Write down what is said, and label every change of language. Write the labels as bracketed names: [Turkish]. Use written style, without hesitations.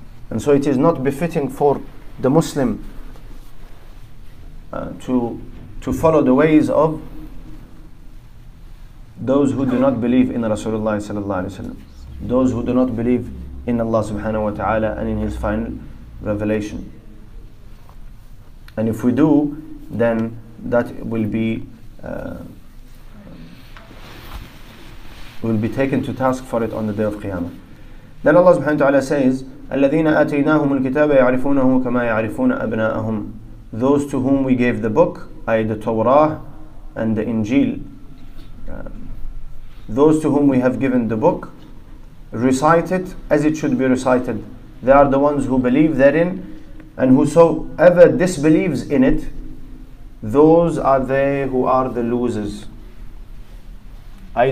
[English] And so it is not befitting for the Muslim to follow the ways of those who do not believe in Rasulullah sallallahu alaihi wasallam, those who do not believe in Allah subhanahu wa ta'ala and in his final revelation. And if we do, then that will be taken to task for it on the day of Qiyamah. Then Allah subhanahu wa ta'ala says, [Arabic] الَّذِينَ آتَيْنَاهُمُ الْكِتَابَ يَعْرِفُونَهُ كَمَا يَعْرِفُونَ أَبْنَاءَهُمْ. [English] Those to whom we gave the book, i.e. the Torah and the Injil, those to whom we have given the book, recite it as it should be recited. They are the ones who believe therein, and whosoever disbelieves in it, those are they who are the losers. i.e.